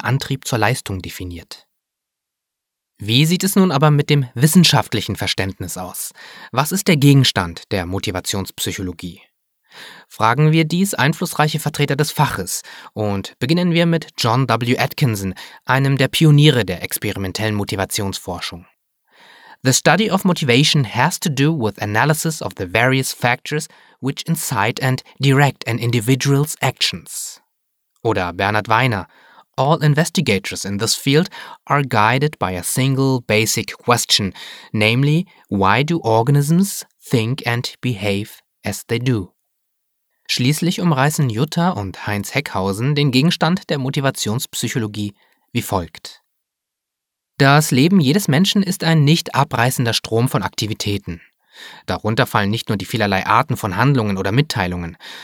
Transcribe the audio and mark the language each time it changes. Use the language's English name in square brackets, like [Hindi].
[German] Antrieb zur Leistung definiert. Wie sieht es nun aber mit dem wissenschaftlichen Verständnis aus? Was ist der Gegenstand der Motivationspsychologie? Fragen wir dies einflussreiche Vertreter des Faches und beginnen wir mit John W. Atkinson, einem der Pioniere der experimentellen Motivationsforschung. [English] The study of motivation has to do with analysis of the various factors which incite and direct an individual's actions. [German] Oder [English] Bernhard Weiner, all investigators in this field are guided by a single basic question, namely, why do organisms think and behave as they do? [German] Schließlich umreißen Jutta und Heinz Heckhausen den Gegenstand der Motivationspsychologie wie folgt. Das Leben jedes Menschen ist ein nicht abreißender Strom von Aktivitäten. Darunter fallen nicht nur die vielerlei Arten von Handlungen oder Mitteilungen.